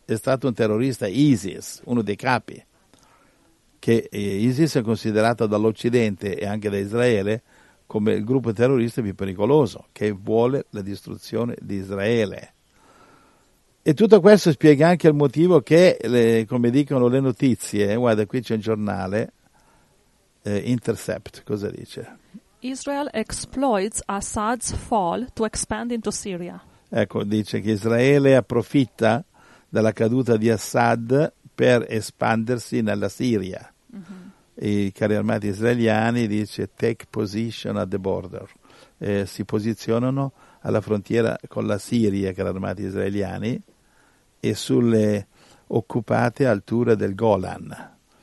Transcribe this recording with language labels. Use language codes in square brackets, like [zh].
[it] È stato un terrorista ISIS, uno dei capi, che ISIS è considerato dall'Occidente e anche da Israele come il gruppo terrorista più pericoloso, che vuole la distruzione di Israele. E tutto questo spiega anche il motivo che, come dicono le notizie, guarda, qui c'è un giornale, Intercept, cosa dice? [en] Israel exploits Assad's fall to expand into Syria. [it] Ecco, dice che Israele approfitta della caduta di Assad per espandersi nella Siria. Mm-hmm. I carri armati israeliani, dice, take position at the border, si posizionano alla frontiera con la Siria, carri armati israeliani, e sulle occupate alture del Golan.